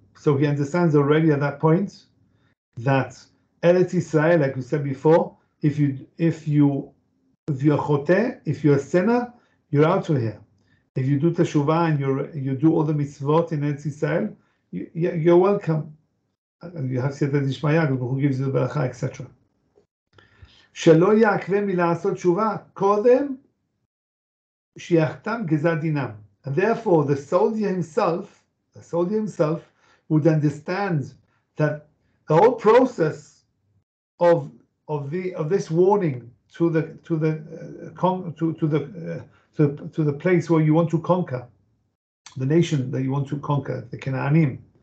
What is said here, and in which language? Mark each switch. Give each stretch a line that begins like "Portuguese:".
English: So he understands already at that point that Eretz Yisrael, like we said before, if you're a sinner, you're out of here. If you do teshuvah and you do all the mitzvot in Eretz Yisrael, you're welcome. And you have said that Ishmael, who gives you the beracha, etc.
Hebrew: שלא יעקבה מלעשות תשובה קודם שיחתם גזר דינם.
English: And therefore, the soldier himself, would understand that the whole process of this warning to the place where you want to conquer, the nation that you want to conquer, the Canaanim.